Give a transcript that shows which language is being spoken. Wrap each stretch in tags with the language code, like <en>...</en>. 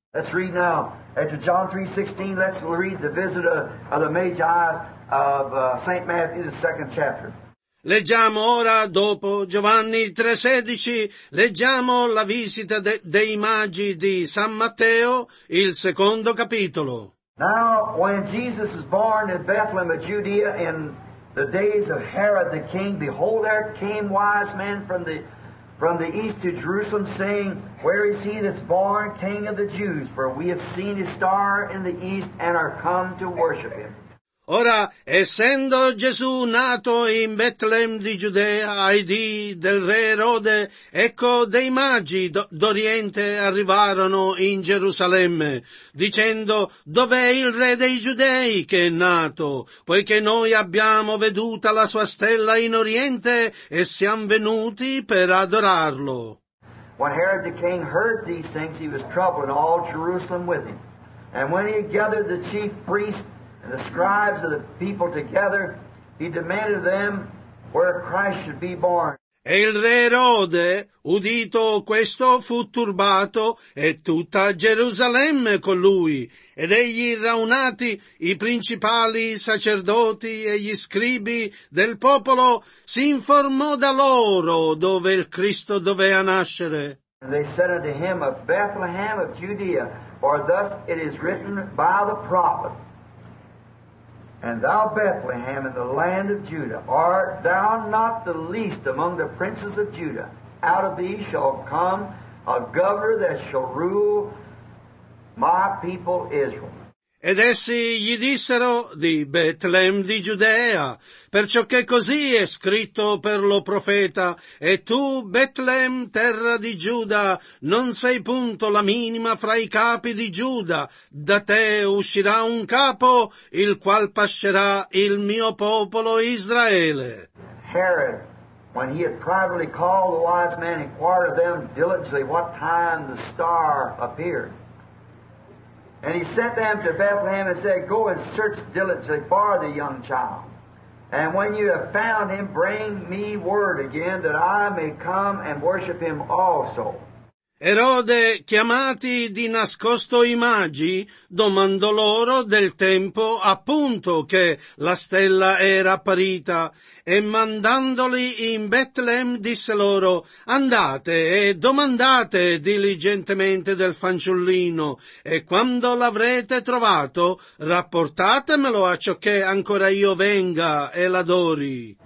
<en>Let's read now. After John 3:16, let's read the visit of the Magi of St. Matthew, the second chapter.</en> <it>Leggiamo ora, dopo Giovanni 3:16, leggiamo la visita dei Magi di San Matteo, il secondo capitolo.</it> <en>Now, when Jesus is born in Bethlehem of Judea in the days of Herod the king, behold, there came wise men from the east to Jerusalem, saying, Where is he that's born king of the Jews? For we have seen his star in the east and are come to worship him.</en> <it>Ora, essendo Gesù nato in Betlem di Giudea, ai dì del re Erode, ecco dei magi d'Oriente arrivarono in Gerusalemme, dicendo, Dov'è il re dei Giudei che è nato? Poiché noi abbiamo veduta la sua stella in Oriente e siamo venuti per adorarlo.</it> <en>When Herod the king heard these things, he was troubled, and all Jerusalem with him. And when he had gathered the chief priests and the scribes of the people together, he demanded them where Christ should be born.</en> <it>E il re Erode, udito questo, fu turbato, e tutta Gerusalemme con lui. Ed egli raunati, i principali sacerdoti e gli scribi del popolo, si informò da loro dove il Cristo doveva nascere.</it> <en>And they said unto him, of Bethlehem of Judea, for thus it is written by the prophet, And thou, Bethlehem, in the land of Judah, art thou not the least among the princes of Judah? Out of thee shall come a governor that shall rule my people Israel.</en> <it>Ed essi gli dissero di Betlem di Giudea, perciò che così è scritto per lo profeta, e tu, Betlem, terra di Giuda, non sei punto la minima fra i capi di Giuda, da te uscirà un capo, il qual pascerà il mio popolo Israele.</it> <en>Herod, when he had privately called the wise men, inquired of them diligently what time the star appeared. And he sent them to Bethlehem and said, Go and search diligently for the young child. And when you have found him, bring me word again that I may come and worship him also.</en> <it>Erode, chiamati di nascosto i magi, domandò loro del tempo appunto che la stella era apparita, e mandandoli in Betlem disse loro, Andate e domandate diligentemente del fanciullino, e quando l'avrete trovato, rapportatemelo a ciò che ancora io venga e l'adori.</it>